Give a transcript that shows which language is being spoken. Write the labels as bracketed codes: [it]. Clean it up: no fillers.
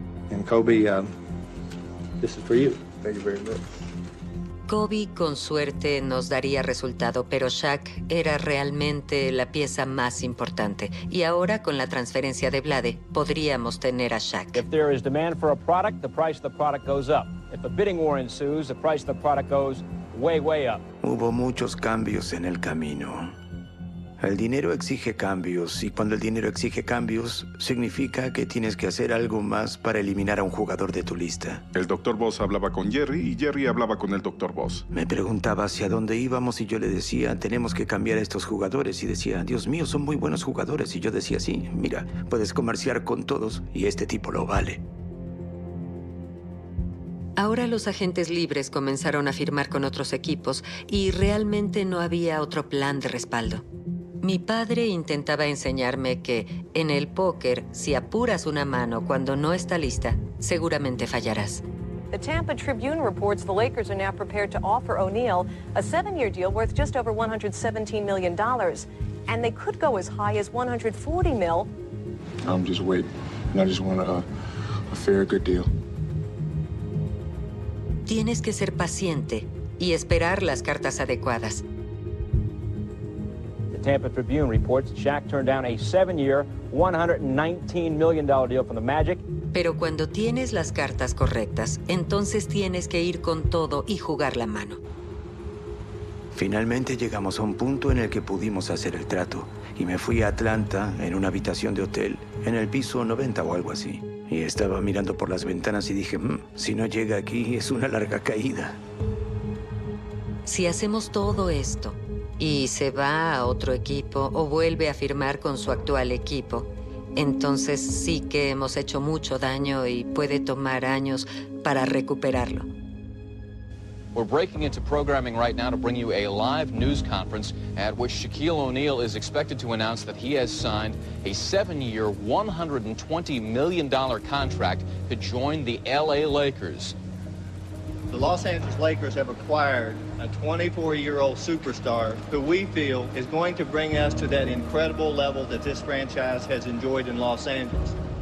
[en] And Kobe, this is for you. Thank you very much. [es] Kobe, con suerte, nos daría resultado, pero Shaq era realmente la pieza más importante. Y ahora, con la transferencia de Vlade, podríamos tener a Shaq. [en] If there is demand for a product, the price of the product goes up. If a bidding war ensues, the price of the product goes way, way up. [es] Hubo muchos cambios en el camino. El dinero exige cambios, y cuando el dinero exige cambios, significa que tienes que hacer algo más para eliminar a un jugador de tu lista. El Dr. Boss hablaba con Jerry, y Jerry hablaba con el Dr. Boss. Me preguntaba hacia dónde íbamos, y yo le decía, tenemos que cambiar a estos jugadores. Y decía, Dios mío, son muy buenos jugadores. Y yo decía, sí, mira, puedes comerciar con todos, y este tipo lo vale. Ahora los agentes libres comenzaron a firmar con otros equipos y realmente no había otro plan de respaldo. Mi padre intentaba enseñarme que, en el póker, si apuras una mano cuando no está lista, seguramente fallarás. [en] The Tampa Tribune reports the Lakers are now prepared to offer O'Neal a 7-year deal worth just over $117 million. And they could go as high as $140 million. I'm just waiting. I just want a fair, good deal. [es] Tienes que ser paciente y esperar las cartas adecuadas. [en] The Tampa Tribune reports Shaq turned down a 7-year, $119 million deal from the Magic. [es] Pero cuando tienes las cartas correctas, entonces tienes que ir con todo y jugar la mano. Finalmente llegamos a un punto en el que pudimos hacer el trato. Y me fui a Atlanta en una habitación de hotel, en el piso 90 o algo así. Y estaba mirando por las ventanas y dije, si no llega aquí, es una larga caída. Si hacemos todo esto y se va a otro equipo o vuelve a firmar con su actual equipo, entonces sí que hemos hecho mucho daño y puede tomar años para recuperarlo. [en] We're breaking into programming right now to bring you a live news conference at which Shaquille O'Neal is expected to announce that he has signed a 7-year, $120 million contract to join the L.A. Lakers. The Los Angeles Lakers have acquired a 24-year-old superstar who we feel is going to bring us to that incredible level that this franchise has enjoyed in Los Angeles.